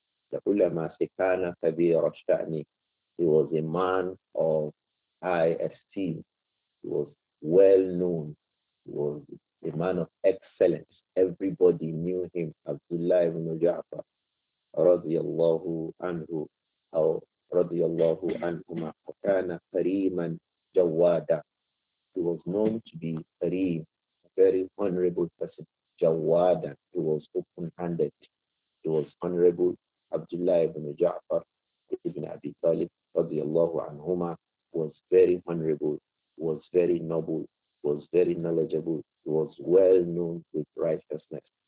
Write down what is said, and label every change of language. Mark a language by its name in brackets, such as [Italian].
[English] The ulama say, [Arabic] kana kadira sha'an. [English] He was a man of high esteem. He was well known, was a man of excellence. Everybody knew him, Abdullah ibn Ja'far, radiallahu anhu, how [Arabic] رضي الله عنهما فكان كريما جوادا. [English] He was known to be kareem, very honorable person. Jawada, he was open-handed. He was honorable. Abdullah ibn Ja'far ibn Abi Talib [Arabic] رضي الله عنهما [English] was very honorable, was very noble, was very knowledgeable, was well known with righteousness.